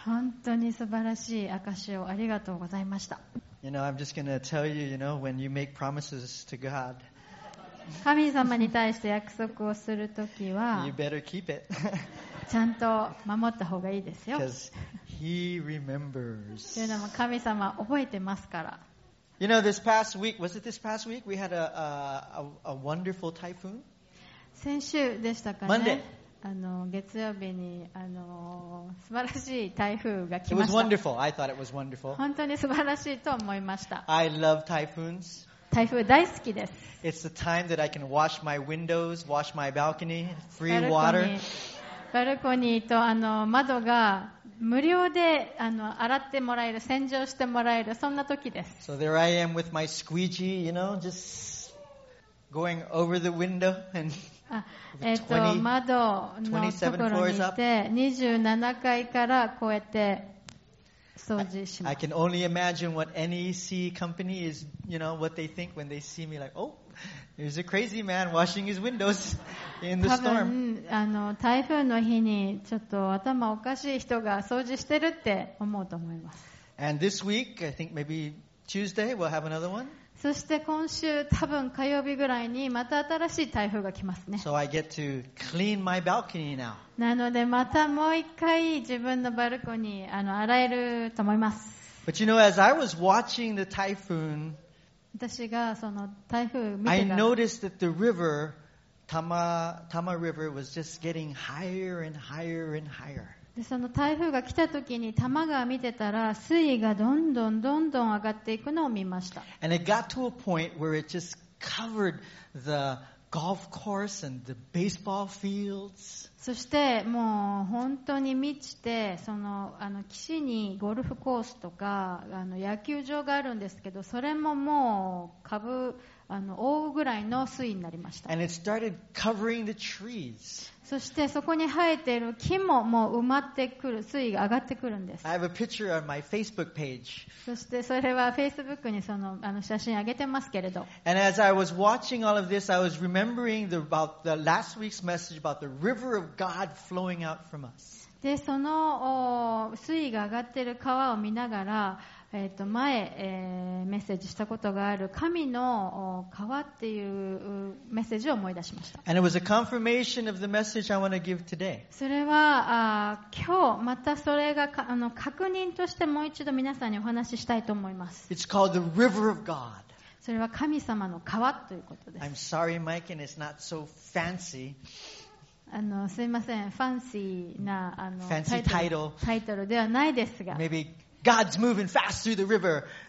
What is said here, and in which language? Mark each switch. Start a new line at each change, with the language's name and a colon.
Japanese: 本当に素晴らしい証をありがとうございました。
English: You know, I'm just going to tell you, you know, when you make promises to God,
Japanese: 神様に対して約束をするときは、
English: you better keep it.
Japanese: ちゃんと守った方がいいですよ。
English: Because he remembers.
Japanese: というのも神様覚えてますから。
English: You know, this past week, was it this past week? We had a wonderful typhoon.
Japanese: 先週でしたかね。
English: Monday.
Japanese: 月曜日に素晴らしい台風が来ました。
English: It was wonderful. I thought it was wonderful.
Japanese: 本当に素晴らしいと思いました。
English: I love typhoons.
Japanese: 台風大好きです。
English: It's the time that I can wash my windows, wash my balcony, free water.
Japanese: バルコニーと窓が無料で洗ってもらえる、洗浄してもらえる、そんな時です。
English: So there I am with my squeegee, you know, just going over the window and
Japanese: 窓のところにして27階からこうやって掃除します。
English: I can only imagine what NEC company is, you know, what they think when they see me like, oh, there's a crazy man washing his windows in the storm.
Japanese: 多分台風の日にちょっと頭おかしい人が掃除してるって思うと思います。
English: And this week, I think maybe Tuesday, we'll have another one.
Japanese: そして今週多分火曜日ぐらいにまた新しい台風が来ますね。
English: So I get to clean my balcony now.
Japanese: なのでまたもう一回自分のバルコニー洗えると思います。
English: But you know, as I was watching the typhoon,
Japanese: 私がその台風見てた。
English: I noticed that the river, Tama River, was just getting higher and higher and higher.
Japanese: でその台風が来た時に多摩川見てたら水位がどんどんどんどん上がっていくのを見ました。
English: And it got to a point where it just covered the golf course and the baseball fields.
Japanese: そしてもう本当に満ちてその岸にゴルフコースとか野球場があるんですけど、それももう覆うぐらいの水位になりました。
English: And it started covering the trees.
Japanese: そしてそこに生えている木ももう埋まってくる、水位が上がってくるんです。
English: I have a picture on my Facebook page.
Japanese: そしてそれは Facebook にその写真上げてますけれど。
English: And as I was watching all of this, I was remembering about the last week's message about the river of God flowing out from us.
Japanese: で、その水位が上がっている川を見ながら、前、メッセージしたことがある神の川っていうメッセージを思い出しました。
English: And it was a confirmation of the message I want to give today.
Japanese: それは今日またそれが確認としてもう一度皆さんにお話ししたいと思います。
English: It's called the River of God.
Japanese: それは神様の川ということです。
English: I'm sorry, Mike, and it's not so fancy.
Japanese: すいません、ファンシーな
English: Fancy title.
Japanese: タイトルではないですが。
English: Maybe... God's moving fast through the river.